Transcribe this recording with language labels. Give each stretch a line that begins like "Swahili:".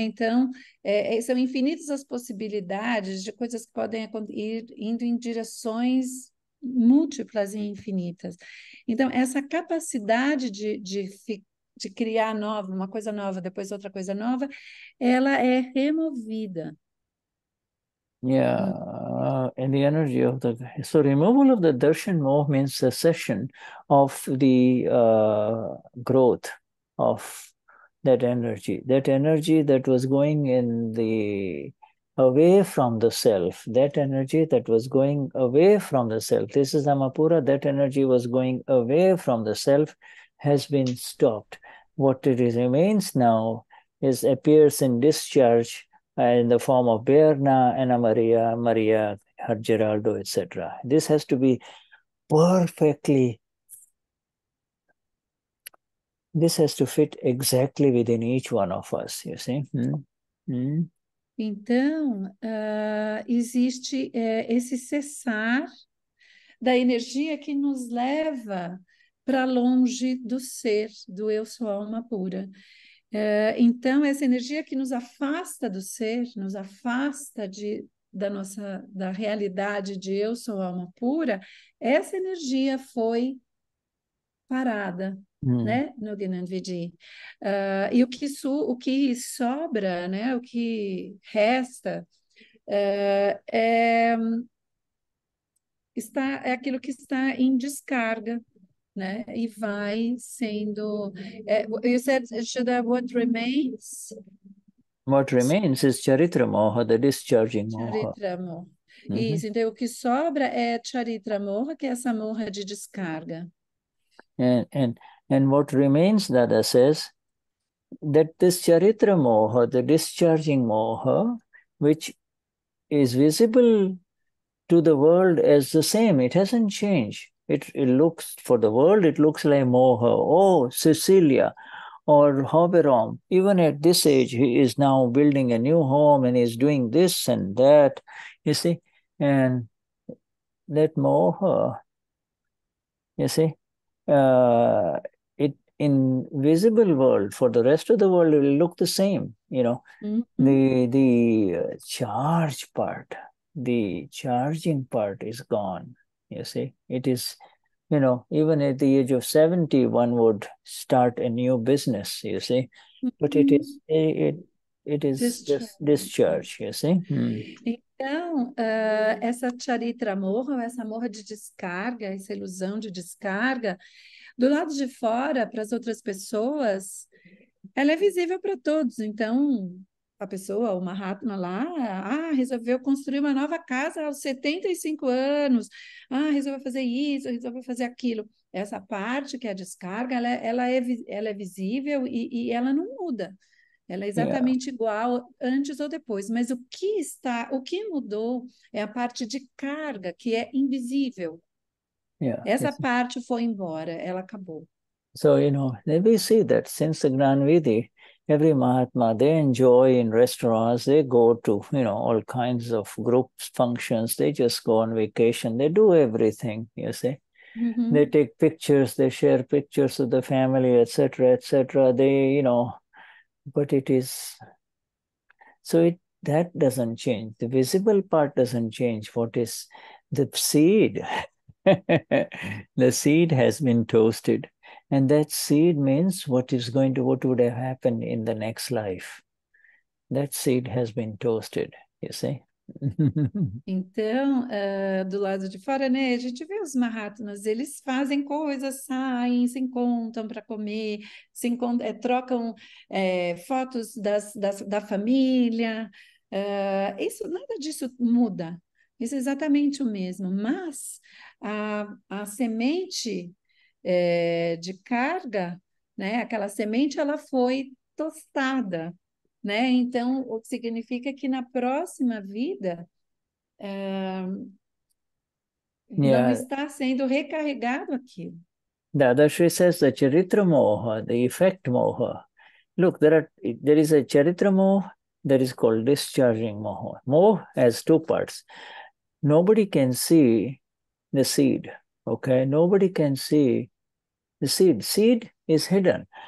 Portuguese: Então, são infinitas as possibilidades de coisas que podem ir indo em direções múltiplas e infinitas. Então, essa capacidade de criar nova, uma coisa nova, depois outra coisa nova, ela é removida.
English: Yeah, and the energy of the... So removal of the darshan moha means cessation of the growth of that energy. That energy that was going in the... away from the self, that energy that was going away from the self, this is Amapura, that energy was going away from the self, has been stopped. What it remains now is appears in discharge in the form of Berna, Ana Maria, Maria, Her Geraldo, etc. This has to be perfectly, this has to fit exactly within each one of us, you see? Hmm? Hmm?
Portuguese: Então, existe esse cessar da energia que nos leva para longe do ser, do eu sou alma pura. Então, essa energia que nos afasta do ser, nos afasta de, da nossa, da realidade de eu sou alma pura, essa energia foi parada, né, no Gnan Vidhi. E o que, o que sobra, né, o que resta, é aquilo que está em descarga, né, e vai sendo...
English: you said, Shuddha, what remains? What remains is charitra moha, the discharging moha. Charitra moha. Mm-hmm.
Portuguese: Isso, então o que sobra é charitra moha, que é essa moha de descarga.
English: And what remains, Dada says, that this charitra moha, the discharging moha, which is visible to the world as the same, it hasn't changed. It looks, for the world, it looks like moha. Oh, Cecilia or Hoberom, even at this age, he is now building a new home and he's doing this and that, you see. And that moha, you see, it in visible world, for the rest of the world, it will look the same, you know. Mm-hmm. The charge part, the charging part is gone, you see. It is, you know, even at the age of 70, one would start a new business, you see. Mm-hmm. But it is discharge. Just discharge, you see. Mm.
Portuguese: Então, essa charitra morra, essa morra de descarga, essa ilusão de descarga, do lado de fora, para as outras pessoas, ela é visível para todos. Então, a pessoa, o mahatma lá, resolveu construir uma nova casa aos 75 anos, resolveu fazer isso, resolveu fazer aquilo. Essa parte que é a descarga, ela é visível e ela não muda. Ela é exatamente igual antes ou depois, mas o que mudou é a parte de carga, que é invisível.
English: Yeah,
Portuguese: essa parte foi embora, ela acabou.
English: So, you know, we see that since the Gnan Vidhi, every mahatma, they enjoy in restaurants, they go to, you know, all kinds of groups, functions, they just go on vacation, they do everything, you see. Mm-hmm. They take pictures, they share pictures of the family, etc., etc. They, you know, but it is, so it, that doesn't change. The visible part doesn't change. What is the seed? The seed has been toasted. And that seed means what is going to, what would have happened in the next life. That seed has been toasted, you see.
Portuguese: Então, do lado de fora, né, a gente vê os mahatmas, eles fazem coisas, saem, se encontram para comer, se encontram, trocam fotos da família. Isso, nada disso muda, isso é exatamente o mesmo, mas a semente de carga, né, aquela semente, ela foi tostada. Né? Então, o que significa que na próxima vida não está sendo recarregado aquilo.
English: Dadashri says the charitra moha, the effect moha. Look, there is a charitra moha that is called discharging moha. Moha has two parts. Nobody can see the seed. Okay? Nobody can see the seed. Seed is hidden.